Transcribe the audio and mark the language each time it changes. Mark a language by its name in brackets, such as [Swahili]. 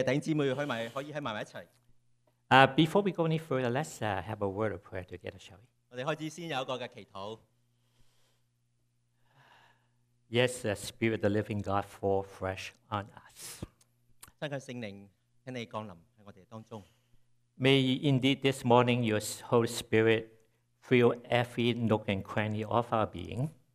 [Cantonese] 好珍惜呢啲嘅時間，因為三個堂子嘅弟兄姊妹可以喺埋一齊。 [English] Before we go any further, let's have a word of prayer together, shall we? [Cantonese] 我哋開始先有一個嘅祈禱。 [English] Yes, Spirit of the Living God, fall fresh on us. [Cantonese] 真嘅聖靈，請你降臨喺我哋當中。 [English] May indeed this morning your Holy Spirit fill every nook and cranny of our being.